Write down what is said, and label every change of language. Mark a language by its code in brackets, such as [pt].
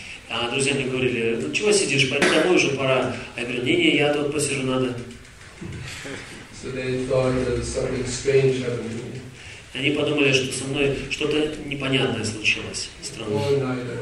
[ru] А друзья мне говорили, ну чего сидишь, пойди домой уже пора. А я говорю, не, я тут посижу надо. [en] So they thought that something strange happened. [ru] Они подумали, что со мной что-то непонятное случилось. Странно.